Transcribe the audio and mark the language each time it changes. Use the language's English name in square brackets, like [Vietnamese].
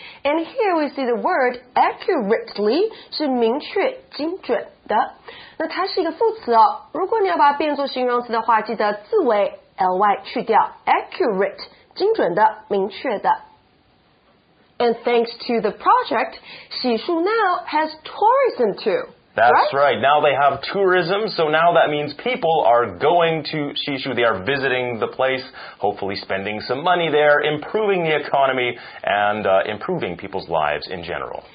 [English] And here we see the word accurately [Chinese] 是明确精准的。那它是一个副词哦，如果你要把它变作形容词的话，记得字尾 ly 去掉 ，accurate 精准的、明确的。 [English] And thanks to the project, 喜树 now has tourism too. That's right? right. Now they have tourism, so now that means people are going to 喜树, they are visiting the place, hopefully spending some money there, improving the economy, and improving people's lives in general.